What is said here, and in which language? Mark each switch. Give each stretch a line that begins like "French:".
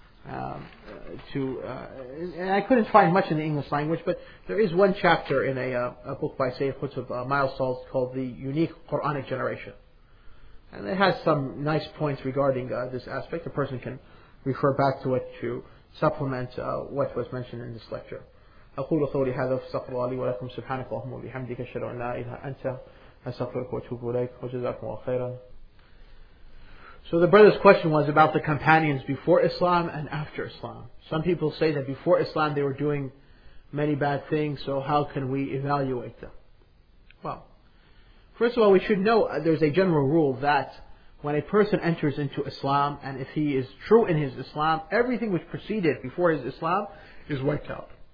English: And I couldn't find much in the English language, but there is one chapter in a book by Sayyid Qutb Miles Salt called The Unique Quranic Generation. And it has some nice points regarding this aspect. A person can refer back to it to supplement what was mentioned in this lecture.
Arabic: أقول قولي هذا فاستغفر الله لي ولكم سبحانك اللهم وبحمدك أشهد أن لا إله إلا أنت أستغفرك وأتوب إليك وجزاكم الله خيرا.
English: So the brother's question was about the companions before Islam and after Islam. Some people say that before Islam they were doing many bad things, so how can we evaluate them? Well, first of all, we should know there's a general rule that when a person enters into Islam, and if he is true in his Islam, everything which preceded before his Islam is wiped out.